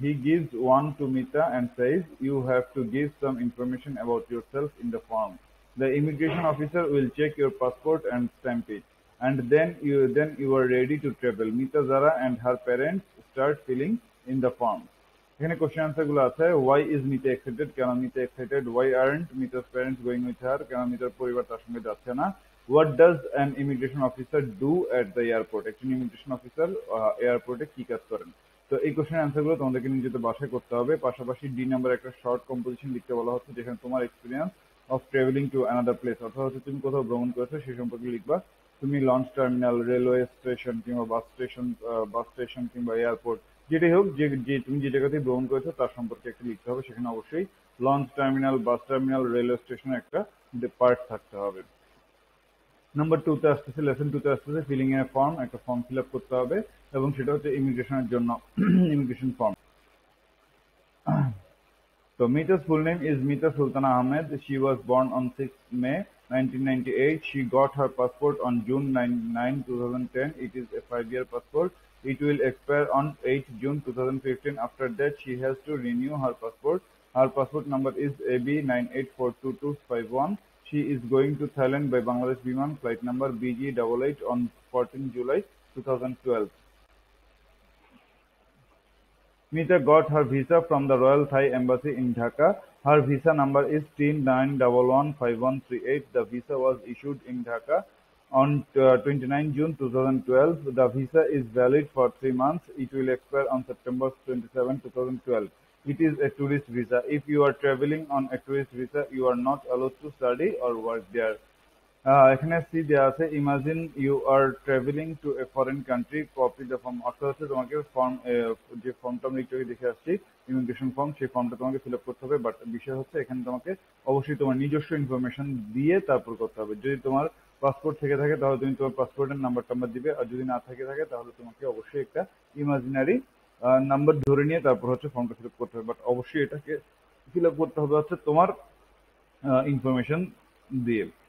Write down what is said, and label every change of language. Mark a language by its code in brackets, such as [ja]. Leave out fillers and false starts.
[en] He gives one to Mita and says, "You have to give some information about yourself in the form. The immigration officer will check your passport and stamp it. And then you are ready to travel." Mita Zara and her parents start filling in the form. [bn] এখানে question answer গুলো আছে, [en] why is Mita excited, [bn] কেন Mita excited, [en] why aren't Mita's parents going with her, [bn] কেন মিতার পরিবার তার সঙ্গে যাচ্ছে না, [en] what does an immigration officer do at the airport, [bn] একজন ইমিগ্রেশন অফিসার এয়ারপোর্টে কি কাজ করেন। তো এই কোশ্চেন আনসার গুলো তোমাদেরকে নিজেদের বাসায় করতে হবে। পাশাপাশি ডি নাম্বার একটা শর্ট কম্পোজিশন লিখতে বলা হচ্ছে, যেখানে তোমার [en] experience of travelling to another place, [bn] অর্থাৎ হচ্ছে তুমি কোথাও ভ্রমণ করেছো সে সম্পর্কে লিখবা। তুমি লঞ্চ টার্মিনাল, রেলওয়ে স্টেশন কিংবা বাস স্টেশন কিংবা এয়ারপোর্ট, যেটাই হোক, যে তুমি যে জায়গাতে ভ্রমণ করেছো তার সম্পর্কে একটা লিখতে হবে। সেখানে অবশ্যই launch terminal, bus terminal, railway স্টেশনের একটা পার্ট থাকতে হবে। নাম্বার টু তে আসতেছে, লেসন টু তে আসতেছে [en] filling a form, [bn] একটা ফর্ম ফিল আপ করতে হবে এবং সেটা হচ্ছে ইমিগ্রেশনের জন্য ইমিগ্রেশন ফর্ম। [en] তো Mita's full name is Mita Sultana Ahmed. She was born on 6 May 1998. She got her passport on June 9, 2010. It is a 5-year passport. It will expire on 8 June 2015. After that, she has to renew her passport. Her passport number is AB984251. She is going to Thailand by Bangladesh Biman, flight number BG88 on 14 July 2012. Mita got her visa from the Royal Thai Embassy in Dhaka. Her visa number is 3911-5138. The visa was issued in Dhaka on 29 June 2012. The visa is valid for 3 months. It will expire on September 27, 2012. It is a tourist visa. If you are traveling on a tourist visa, you are not allowed to study or work there. [bn] এখানে C দেওয়া আছে, [en] imagine you are travelling to a foreign country, copy the form, [bn] অর্থাৎ হচ্ছে তোমাকে form, যে ফর্মটা আমি একটু দেখে আসছি ইমিগ্রেশন ফর্ম, সেই ফর্মটা তোমাকে ফিল আপ করতে হবে। বাট বিষয় হচ্ছে এখানে তোমাকে অবশ্যই তোমার নিজস্ব ইনফরমেশন দিয়ে তারপর করতে হবে। যদি তোমার পাসপোর্ট থেকে থাকে তাহলে তুমি তোমার পাসপোর্টের নাম্বার টাম্বার দিবে, আর যদি না থেকে থাকে তাহলে তোমাকে অবশ্যই একটা ইমাজিনারি নাম্বার ধরে নিয়ে তারপর হচ্ছে ফর্মটা ফিল আপ করতে হবে। বাট অবশ্যই এটাকে ফিল আপ করতে হবে হচ্ছে তোমার ইনফরমেশন দিয়ে।